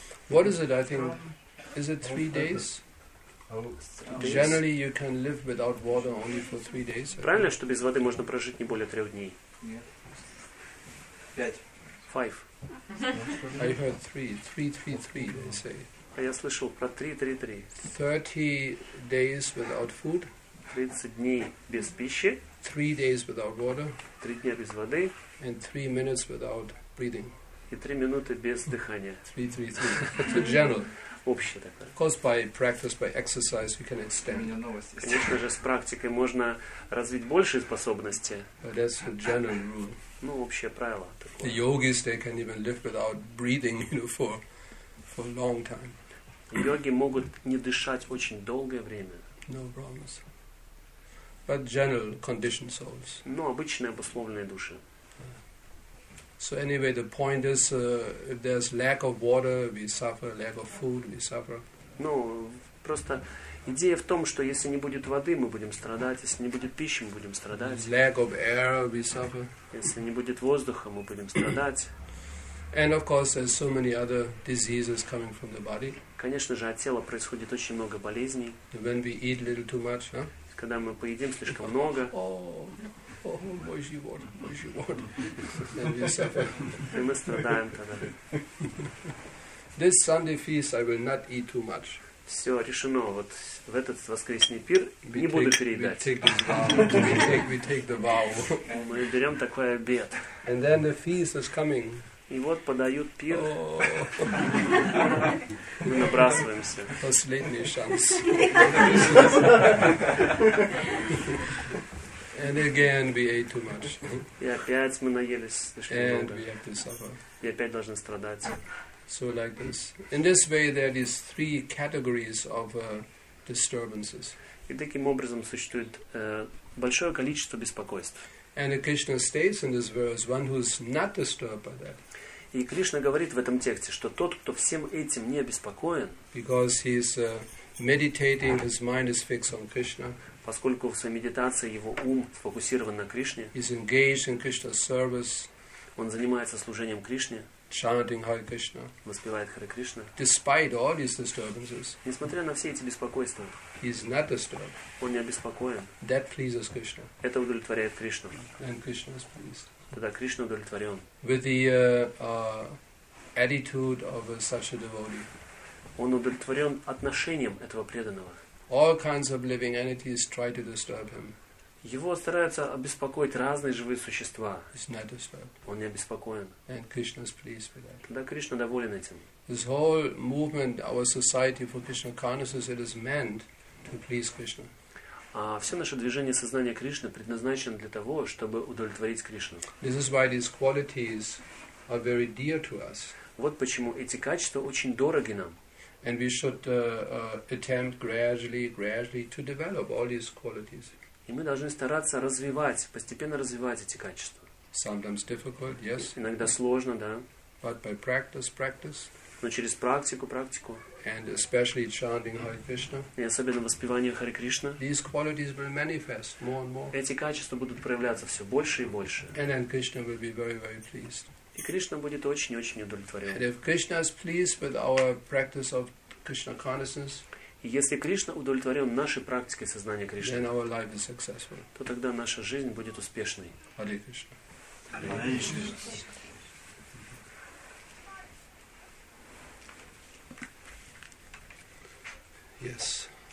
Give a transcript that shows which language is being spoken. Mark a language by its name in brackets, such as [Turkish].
[English] What is it, I think, is it 3 days? Generally you can live without water only for 3 days. [Russian] Правильно, что без воды можно прожить не более 3 дней? Нет. 5. [English] I heard 3 they say. [Russian] А я слышал про 3. [English] 30 days without food. [Russian] 30 дней без пищи. [English] 3 days without water. [Russian] 3 дня без воды. [English] And 3 minutes without breathing. [Russian] И 3 минуты без дыхания. [English] 3. General. [Russian] Общее такое. [English] Of course, by practice, by exercise, you can extend. [Russian] У меня новости. Конечно же, с практикой можно развить большие способности. [English] But that's a general rule. [Russian] Ну, общее правило такое. [English] The yogis, they can even live without breathing, you know, for a long time. [Russian] Йоги могут не дышать очень долгое время. [English] No problems. But general conditioned souls. [Russian] Ну, обычные обусловленные души. [English] So anyway, the point is, if there's lack of water, we suffer. Lack of food, we suffer. [Russian] Ну, просто идея в том, что если не будет воды, мы будем страдать. Если не будет пищи, мы будем страдать. [English] If lack of air, we suffer. [Russian] Если не будет воздуха, мы будем страдать. [English] And of course, there's so many other diseases coming from the body. [Russian] Конечно же, от тела происходит очень много болезней. [English] When we eat a little too much, huh? [Russian] Когда мы поедим слишком много. Oh, мы страдаем тогда. [English] This Sunday feast I will not eat too much. [Russian] Все решено. Вот в этот воскресный пир не буду переедать. Мы берем такой обед. [English] And then the feast is coming. [Russian] И вот подают пир. Мы набрасываемся. Последний шанс. [English] And again, we ate too much. [Russian] И опять мы наелись слишком много. [English] And we have to suffer. [Russian] И опять должны страдать. [English] So like this. In this way, there are these 3 categories of disturbances. [Russian] И таким образом существует большое количество беспокойств. [English] And Krishna states in this verse, one who is not disturbed by that. [Russian] И Кришна говорит в этом тексте, что тот, кто всем этим не обеспокоен, [English] because he is meditating, his mind is fixed on Krishna. [Russian] Поскольку в своей медитации его ум сфокусирован на Кришне, [English] is engaged in Krishna's service, [Russian] он занимается служением Кришне, [English] chanting Hare Krishna, [Russian] воспевает Харе Кришна, [English] despite all these disturbances, [Russian] несмотря на все эти беспокойства, [English] he is not disturbed, [Russian] он не обеспокоен. [English] That pleases Krishna. [Russian] Это удовлетворяет Кришну. [English] And Krishna is pleased. [Russian] Тогда Кришна удовлетворен. [English] With the attitude of such a devotee. [Russian] Он удовлетворен отношением этого преданного. [English] All kinds of living entities try to disturb him. [Russian] Его стараются обеспокоить разные живые существа. [English] He's not disturbed. [Russian] Он не обеспокоен. [English] And Krishna is pleased with that. [Russian] Тогда Кришна доволен этим. [English] This whole movement, our society for Krishna consciousness, it is meant to please Krishna. [Russian] А все наше движение сознания Кришны предназначено для того, чтобы удовлетворить Кришну. [English] This is why these qualities are very dear to us. [Russian] Вот почему эти качества очень дороги нам. [English] And we should attempt gradually to develop all these qualities. [Russian] И мы должны стараться развивать, постепенно развивать эти качества. [English] Sometimes difficult, yes. [Russian] Иногда сложно, да. [English] But by practice. [Russian] Но через практику. [English] And especially chanting Hare Krishna. [Russian] И особенно воспевание Харе Кришна. [English] These qualities will manifest more and more. [Russian] Эти качества будут проявляться все больше и больше. [English] And then Krishna will be very, very pleased. [Russian] И Кришна будет очень-очень удовлетворен. [English] And if Krishna is pleased with our practice of Krishna consciousness, [Russian] и если Кришна удовлетворен нашей практикой сознания Кришны, [English] then our life is successful. [Russian] То тогда наша жизнь будет успешной. [English] Hare Krishna. Yes.